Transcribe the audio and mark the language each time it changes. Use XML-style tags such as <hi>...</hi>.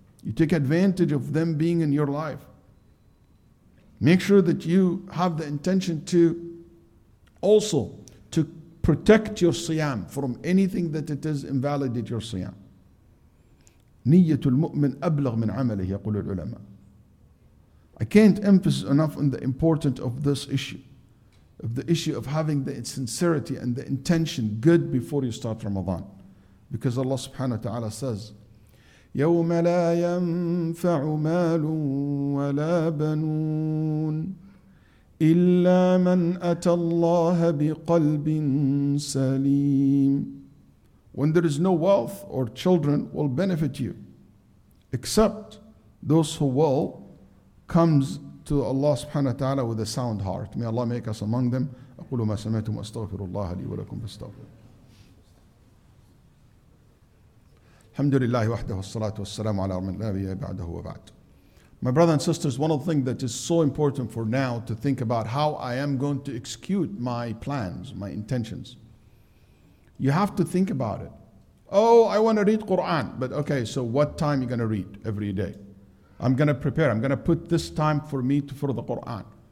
<en>You take advantage of them being in your life. Make sure that you have the intention to also to protect your siyam from anything that it is invalidate your siyam.</en> <ar>Niyatul mu'min ablagh min amalihi, yaqul al ulama.</ar> <en>I can't emphasize enough on the importance of this issue, of the issue of having the sincerity and the intention good before you start Ramadan. Because Allah subhanahu wa ta'ala says,</en> <ar>يَوْمَ لَا يَنْفَعُ مَالٌ وَلَا بَنُونَ إِلَّا مَنْ أَتَى اللَّهَ بِقَلْبٍ سَلِيمٍ.</ar> <en>When there is no wealth or children will benefit you, except those who will comes to Allah subhanahu wa ta'ala with a sound heart. May Allah make us among them.</en> <ar>أَقُلُ مَا سَمَيْتُمْ أَسْتَغْفِرُ اللَّهَ لِي وَلَكُمْ فَاسْتَغْفِرُ. الحمد لله وحده والصلاة والسلام على من لا نبي بعده وبعد.</ar> <en>My brothers and sisters, one of the things that is so important for now to think about how I am going to execute my plans, my intentions. You have to think about it. Oh, I want to read Quran. But okay, so what time are you going to read every day? I'm going to prepare. I'm going to put this time for me to for the Quran.</en>